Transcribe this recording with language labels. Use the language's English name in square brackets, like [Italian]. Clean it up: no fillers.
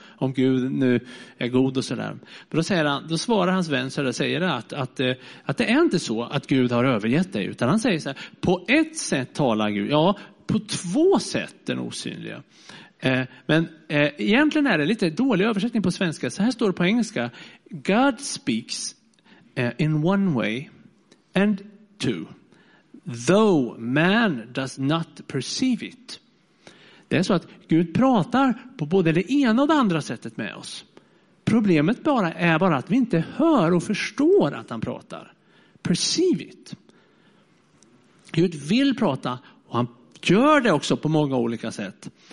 [Swedish] Om Gud nu är god och sådär. Men då svarar hans vän så där, säger att det är inte så att Gud har övergett dig. Utan han säger så här, på ett sätt talar Gud. Ja, på två sätt den osynliga. Egentligen är det lite dålig översättning på svenska. Så här står det på engelska. [English] God speaks in one way and two. though man does not perceive it. [Swedish] Det är så att Gud pratar på både det ena och det andra sättet med oss. Problemet bara är bara att vi inte hör och förstår att han pratar. [English] Perceive it. [Swedish] Gud vill prata och han gör det också på många olika sätt.